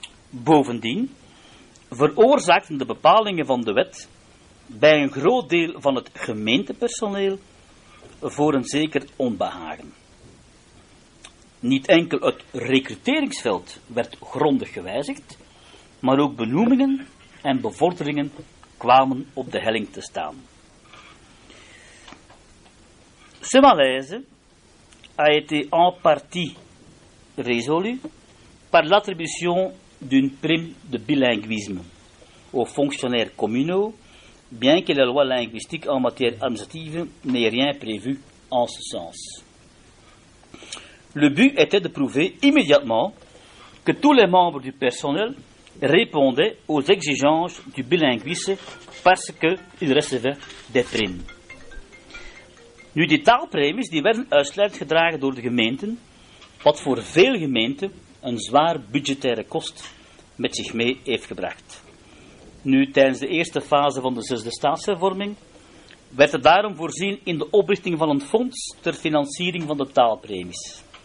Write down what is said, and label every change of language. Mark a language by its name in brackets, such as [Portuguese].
[Dutch] Bovendien veroorzaakten de bepalingen van de wet bij een groot deel van het gemeentepersoneel voor een zeker onbehagen. Niet enkel het recruteringsveld werd grondig gewijzigd, maar ook benoemingen en bevorderingen kwamen op de helling te staan. [French] Ce malaise a été en partie résolu par l'attribution d'une prime de bilinguisme aux fonctionnaires communaux, bien que la loi linguistique en matière administrative n'ait rien prévu en ce sens. Le but était de prouver immédiatement que tous les membres du personnel répondaient aux exigences du bilinguisme parce qu'ils recevaient des primes. [Dutch] Nu, die taalpremies die werden uitsluitend gedragen door de gemeenten, wat voor veel gemeenten een zwaar budgettaire kost met zich mee heeft gebracht. Nu, tijdens de eerste fase van de zesde staatshervorming werd het daarom voorzien in de oprichting van een fonds ter financiering van de taalpremies.